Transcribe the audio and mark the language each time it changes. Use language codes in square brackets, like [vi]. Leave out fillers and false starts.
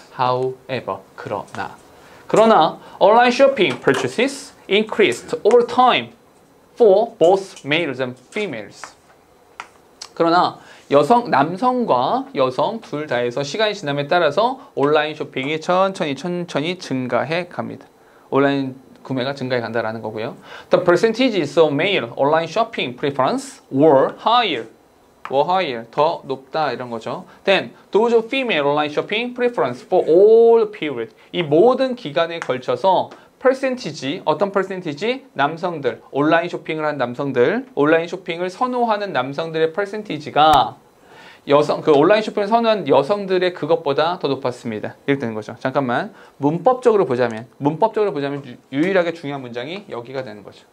[en] However, [ko] 그러나. 그러나, [en] online shopping purchases increased over time. For both males and females. [ko] 그러나 남성과 여성 둘 다에서 시간이 지남에 따라서 온라인 쇼핑이 천천히 증가해 갑니다. 온라인 구매가 증가해 간다라는 거고요. [en] The percentages of male online shopping preference were higher. Were higher. [ko] 더 높다 이런 거죠. [en] Then those of female online shopping preference for all period. [ko] 이 모든 기간에 걸쳐서 퍼센티지, 어떤 퍼센티지? 남성들, 온라인 쇼핑을 한 남성들, 온라인 쇼핑을 선호하는 남성들의 퍼센티지가 여성, 그 온라인 쇼핑을 선호한 여성들의 그것보다 더 높았습니다. 이렇게 되는 거죠. 잠깐만, 문법적으로 보자면 유일하게 중요한 문장이 여기가 되는 거죠.